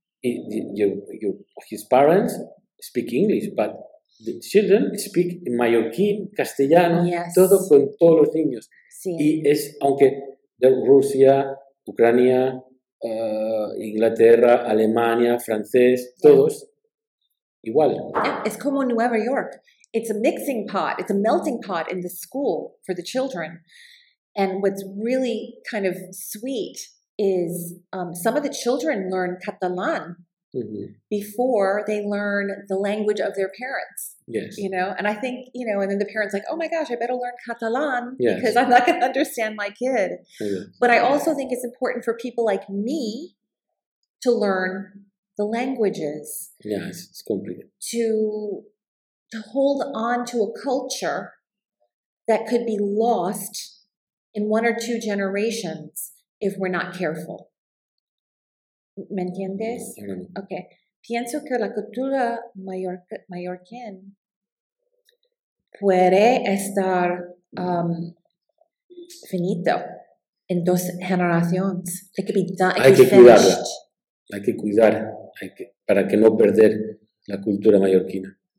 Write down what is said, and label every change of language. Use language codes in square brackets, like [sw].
[en] His parents speak English, but the children speak Mallorquín, castellano, yes. [es] Todo con todos los niños. Sí. Y es, aunque de Rusia, Ucrania, Inglaterra, Alemania, francés, todos igual. Es como Nueva York. [en] It's a mixing pot. It's a melting pot in the school for the children. And what's really kind of sweet is some of the children learn Catalan before they learn the language of their parents. Yes. You know, and I think, you know, and then the parents like, oh my gosh, I better learn Catalan yes. because I'm not going to understand my kid. Yes. But I also think it's important for people like me to learn the languages. Yes, it's complicated. To hold on to a culture that could be lost in one or two generations if we're not careful. [es] ¿Me entiendes? Mm-hmm. [en] Okay. [es] Pienso que la cultura mallorquín puede estar finito en 2 generaciones. [en] It could be done. [es] Hay que cuidarla. Hay que cuidar. Hay que, para que no perder la cultura mallorquina.